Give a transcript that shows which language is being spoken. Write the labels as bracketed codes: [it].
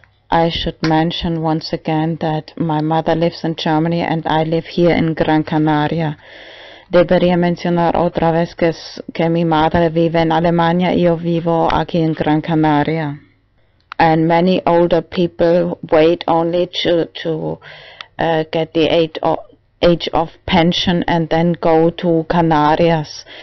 [en] I should mention once again that my mother lives in Germany and I live here in Gran Canaria. [es] Debería mencionar otra vez que mi madre vive en Alemania y yo vivo aquí en Gran Canaria. [en] And many older people wait only to get the age of pension and then go to Canarias.